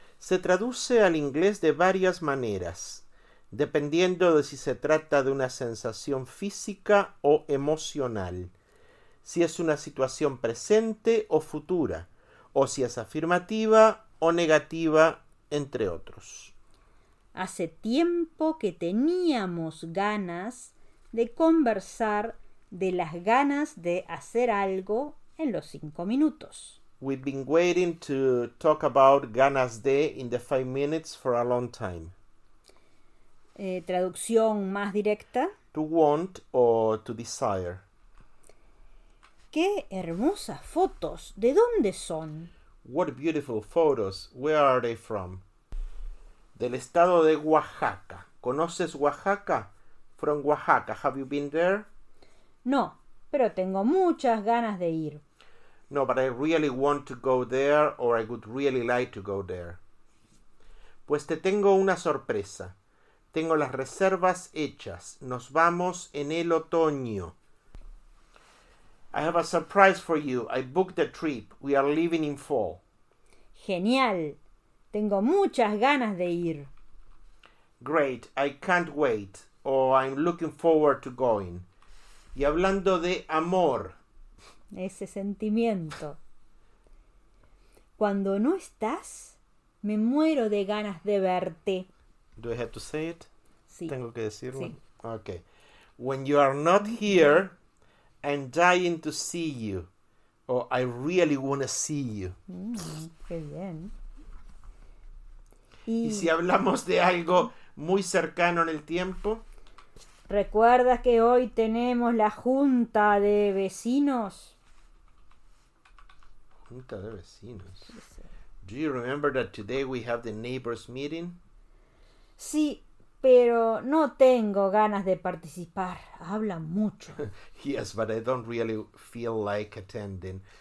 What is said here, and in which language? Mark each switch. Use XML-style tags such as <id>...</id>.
<es>Se traduce al inglés de varias maneras, dependiendo de si se trata de una sensación física o emocional, si es una situación presente o futura, o si es afirmativa o negativa, entre otros. Hace tiempo que teníamos ganas de conversar de las ganas de hacer algo en los 5 minutos.</es> <en>We've been waiting to talk about ganas de in the 5 minutes for a long time.</en> <es>Traducción más directa.</es> <en>To want or to desire.</en> <es>¡Qué hermosas fotos! ¿De dónde son?</es> <en>What beautiful photos. Where are they from?</en> <es>Del estado de Oaxaca. ¿Conoces Oaxaca?</es> <en>From Oaxaca. Have you been there?</en> <es>No, pero tengo muchas ganas de ir.</es> <en>No, but I really want to go there, or I would really like to go there.</en> <es>Pues te tengo una sorpresa. Tengo las reservas hechas. Nos vamos en el otoño.</es> <en>I have a surprise for you. I booked the trip. We are leaving in fall.</en> <es>Genial, tengo muchas ganas de ir.</es> <en>Great. I can't wait. I'm looking forward to going.</en> <es>Y hablando de amor. Ese sentimiento. Cuando no estás, me muero de ganas de verte.</es> <en>Do I have to say it?</en> <es>Sí, Tengo que decirlo. sí.</es> <en>Okay. When you are not here, I'm dying to see you. I really want to see you.</en> <es>Qué bien. ¿Y si Y hablamos de algo muy cercano en el tiempo? ¿recuerdas que hoy tenemos la junta de vecinos? Junta de vecinos.</es> <en>Do you remember that today we have the neighbors meeting?</en> <es>Sí, pero no tengo ganas de participar. Habla mucho.</es> <en>Yes, but I don't really feel like attending.</en>